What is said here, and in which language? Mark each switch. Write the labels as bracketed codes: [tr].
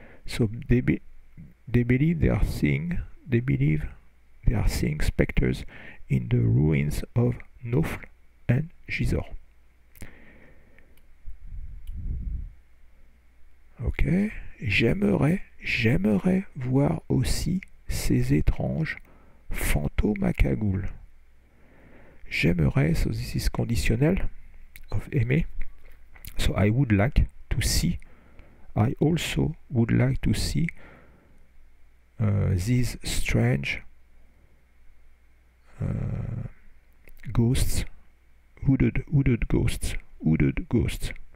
[en] So they are seeing spectres in the ruins of Nofles and Gisors. [fr] Ok, j'aimerais voir aussi ces étranges fantômes à cagoule. [en] J'aimerais, so this is conditionnel, of aimer. So I would like to see, I also would like to see these strange ghosts, hooded ghosts.